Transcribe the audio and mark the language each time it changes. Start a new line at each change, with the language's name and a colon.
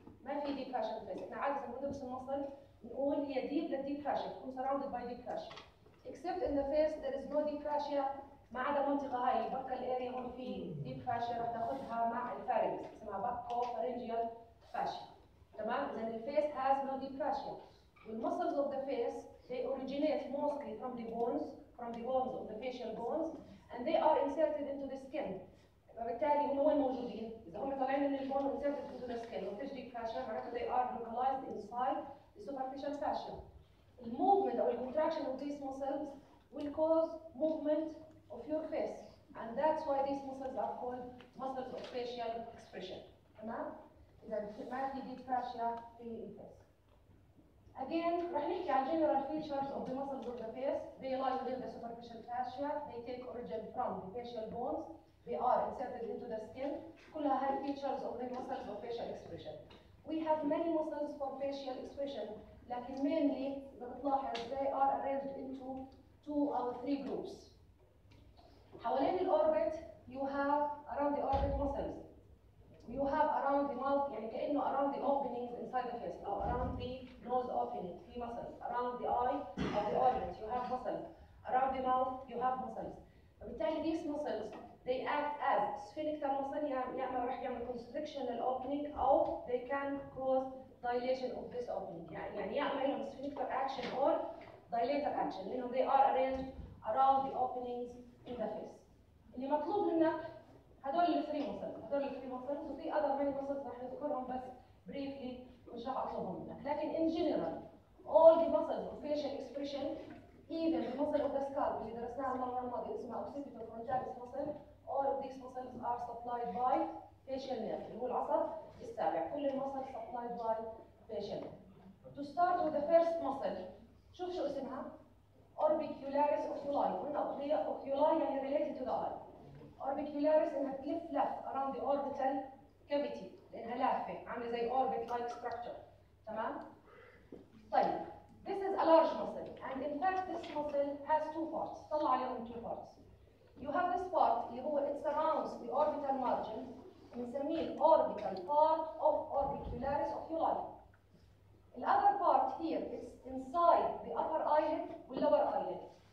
Arabic: ما في deep fascia في الفيس. احنا عادة لما ندرس المصل نقول هي deep للdeep fascia.
English: تكون surrounded by deep fascia. Except in the face there is no deep fascia
Arabic: ما عدا منطقة هاي بقى الاريا هون في deep fascia رح تاخذها مع الفارنكس اسمها بقو فارنجيال fascia.
English: تمام؟ إذا the face has no deep fascia. The muscles of the face they originate mostly from the bones, of the facial bones and they are inserted into the skin.
Arabic: فبالتالي هم وين موجودين؟ إذا هم طالعين من البون وانسيرتد
English: into the skin
Arabic: وفيش deep fascia معناته
English: they are localized inside the superficial fascia. The movement or the contraction of these muscles will cause movement of your face. And that's why these muscles are called muscles of facial expression.
Arabic: تمام؟ إذا ما في deep fascia في الفيس.
English: Again,
Arabic: رح نحكي عن
English: general features of the muscles of the face. They lie within the superficial fascia. They take origin from the facial bones. They are inserted into the skin.
Arabic: كلها هاي
English: features of the muscles of facial expression. We have many muscles for facial expression, لكن mainly, they are arranged into two or three groups. حوالين الاوربت, you have around the orbit muscles. You have around the mouth,
Arabic: يعني كأنه
English: around the openings inside the face, or around the nose opening, three muscles. Around the eye of the orbit, you have muscles. Around the mouth, you have muscles. فبالتالي these muscles, they act as sphincter muscle,
Arabic: يعمل رح يعمل
English: constriction opening, or they can cause dilation of this opening. يعني يعمل لهم sphincter action or dilator action. You know, they are arranged around the openings in the face.
Arabic: اللي مطلوب منك هدول الثري muscles. هدول الثري muscles. وفي
English: other many muscles
Arabic: رح نذكرهم بس briefly مش رح اطلبهم منك.
English: لكن in general, all the muscles of facial expression, even the muscle of the scalp
Arabic: اللي درسناها المرة الماضية اسمها
English: occipital frontalis muscle, all of these muscles are supplied by facial nerve
Arabic: اللي هو العصب السابع. كل المصل
English: supplied by facial nerve. To start with the first muscle,
Arabic: شوف شو اسمها.
English: Orbicularis oculi. قلنا oculi يعني related to the eye. Orbicularis
Arabic: انها تلف لف
English: around the orbital cavity
Arabic: لانها لافة عاملة زي
English: orbit like structure.
Arabic: تمام؟ طيب.
English: This is a large muscle, and in fact, this muscle has two parts.
Arabic: طلع عليهم
English: two parts. You have this part, it surrounds the orbital margin, and it's a mean orbital part of orbicularis oculi. The other part here is inside the upper eyelid and lower eyelid.